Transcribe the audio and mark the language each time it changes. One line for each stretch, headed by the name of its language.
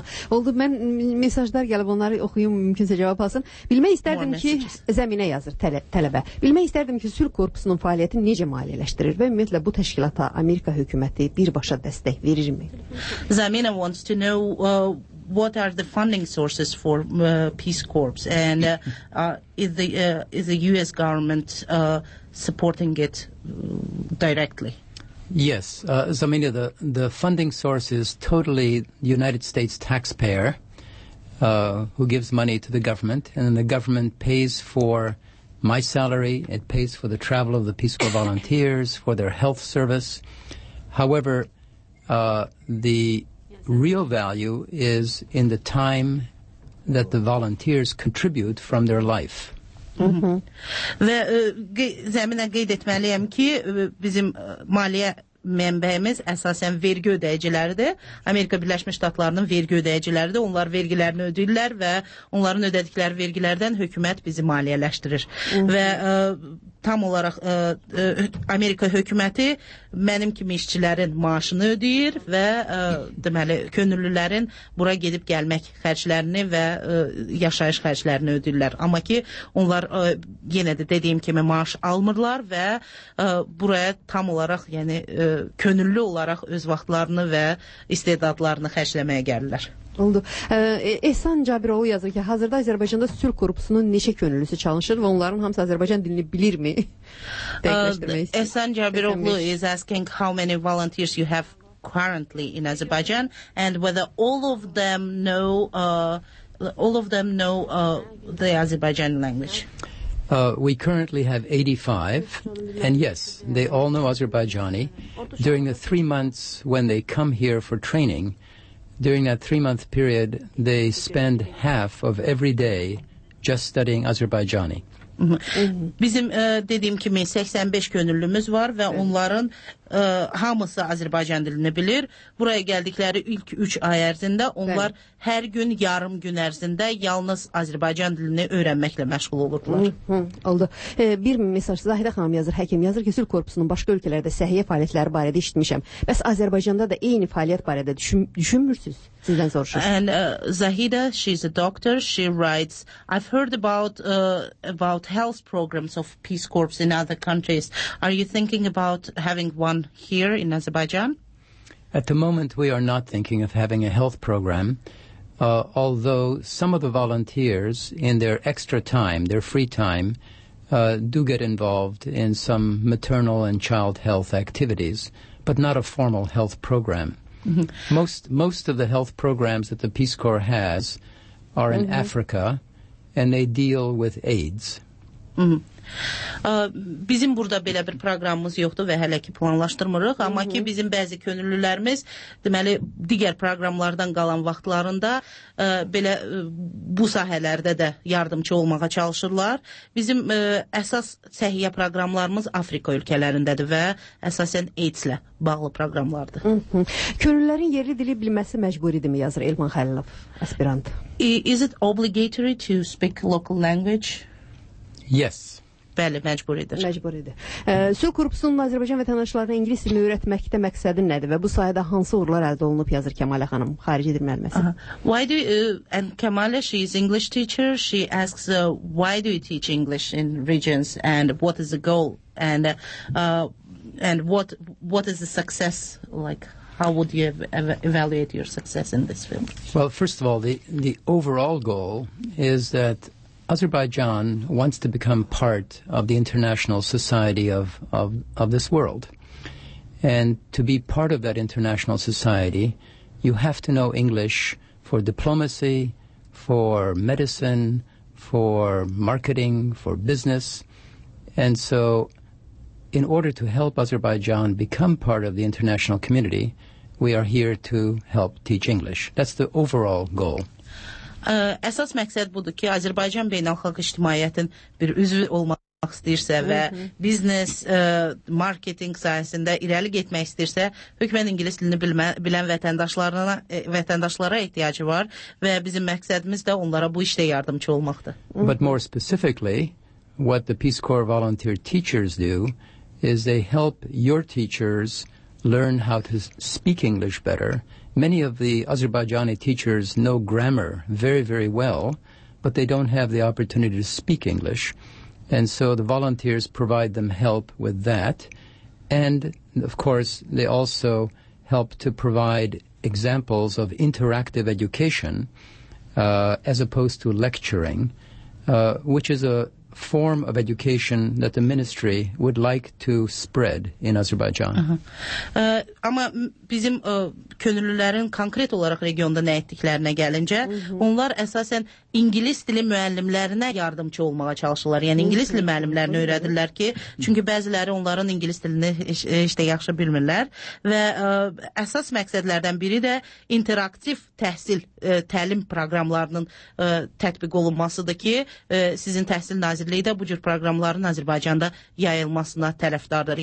Azerbaijani: Oldu, mən mesajlar gəlib onları oxuyum, mümkünsə cavab alsın. Bilmək istərdim ki, zəminə yazır tələbə. Bilmək istərdim ki, sülh korpusunun fəaliyyəti necə maliyyələşdirir və ümumiyyətlə bu təşkilata Amerika hökuməti birbaşa dəstək verirmi?
English: Zəminə wants to know... What are the funding sources for Peace Corps, and is the U.S. government supporting it directly? Yes, Zamina, the funding source is totally United States taxpayer who gives money to the government, and the government pays for my salary, it pays for the travel of the Peace Corps volunteers, for their health service. However, the real value is in the time that the volunteers contribute from their life.
Azerbaijani: Və zəminə qeyd etməliyəm ki, bizim maliyyə mənbəyimiz əsasən vergi ödəyiciləridir. Amerika Birləşmiş Ştatlarının vergi ödəyiciləridir. Onlar vergilərini ödəyirlər və onların ödədikləri vergilərdən hökumət bizi maliyyələşdirir. Və tam olaraq Amerika hökuməti mənim kimi işçilərin maaşını ödəyir və deməli könüllülərin bura gedib gəlmək xərclərini və yaşayış xərclərini ödəyirlər. Amma ki onlar yenə də dediyim kimi maaş almırlar və buraya tam olaraq yəni könüllü olaraq öz vaxtlarını və istedadlarını xərcləməyə gəlirlər. Oldu. Ehsan Cabiroğlu yazır ki, hazırda Azərbaycanda sülh korpusunun neçə könüllüsü çalışır və onların hamısı Azərbaycan dilini bilirmi?
English: Ehsan Cabiroğlu is asking how many volunteers you have currently in Azerbaijan and whether all of them know the Azerbaijan language. We currently have 85, and yes, they all know Azerbaijani. During the 3 months when they come here for training, during that three-month period, they spend half of every day just studying Azerbaijani.
Azerbaijani: Bizim dediğim kimi 85 könüllümüz var və onların hamısı Azərbaycan dilini bilir. Buraya gəldikləri ilk 3 ay ərzində onlar hər gün yarım gün ərzində yalnız Azərbaycan dilini öyrənməklə məşğul olurlar. Oldu. Bir mesaj Zahidə xanım yazır, həkim yazır ki, sülh korpusunun başqa ölkələrdə səhiyyə fəaliyyətləri barədə işitmişəm. Bəs Azərbaycanda da eyni fəaliyyət barədə düşünmürsünüz? Sizdən soruşur.
English: And Zahida, she's a doctor, she writes, I've heard about health programs of Peace Corps in other countries. Are you thinking about having one here in Azerbaijan? At the moment, we are not thinking of having a health program, although some of the volunteers in their extra time, their free time, do get involved in some maternal and child health activities, but not a formal health program. Most of the health programs that the Peace Corps has are in Africa, and they deal with AIDS.
Azerbaijani: Bizim burada belə bir proqramımız yoxdur və hələ ki planlaşdırmırıq, amma ki bizim bəzi könüllülərimiz deməli digər proqramlardan qalan vaxtlarında belə bu sahələrdə də yardımcı olmağa çalışırlar. Bizim əsas səhiyyə proqramlarımız Afrika ölkələrindədir və əsasən AIDS-lə bağlı proqramlardır. Könüllülərin yerli dili bilməsi məcburidirmi, yazır Elman Xəlilov, aspirant.
English: Is it obligatory to speak local language? Yes.
Azerbaijani: Bəli, məcburidir. Məcburidir. Sülh korpusunun Azərbaycan vətəndaşlarına ingilis dilini öyrətməkdə məqsədi nədir və bu sayədə hansı uğurlar əldə olunub, yazır Kemalə xanım, xarici dil müəlliməsi.
English: Why do you, and Kemalə, she is English teacher, she asks why do you teach English in regions and what is the goal and what is the success like? How would you evaluate your success in this field? Well, first of all, the overall goal is that Azerbaijan wants to become part of the international society of this world. And to be part of that international society, you have to know English for diplomacy, for medicine, for marketing, for business. And so in order to help Azerbaijan become part of the international community, we are here to help teach English. That's the overall goal.
Azerbaijani: Əsas məqsəd budur ki, Azərbaycan beynəlxalq ictimaiyyətin bir üzvü olmaq istəyirsə və biznes, marketing sahəsində irəli getmək istəyirsə, hökmən ingilis dilini bilən vətəndaşlara ehtiyacı var və bizim məqsədimiz də onlara bu işdə yardımcı olmaqdır.
English: But more specifically, what the Peace Corps volunteer teachers do is they help your teachers learn how to speak English better. Many of the Azerbaijani teachers know grammar very, very well, but they don't have the opportunity to speak English. And so the volunteers provide them help with that. And, of course, they also help to provide examples of interactive education as opposed to lecturing, which is a form of education that the ministry would like to spread in Azerbaijan.
Azerbaijani: Amma bizim könüllülərin konkret olaraq regionda nə etdiklərinə gəlincə, onlar əsasən ingilis dili müəllimlərinə yardımcı olmağa çalışırlar. Yəni ingilis dili müəllimlərini öyrədirlər ki, çünki bəziləri onların ingilis dilini heç də yaxşı bilmirlər və əsas məqsədlərdən biri də interaktiv təhsil təlim proqramlarının tətbiq olunmasıdır ki, sizin təhsil Nazirliyi də bu cür proqramların Azərbaycanda yayılmasına tərəfdardır.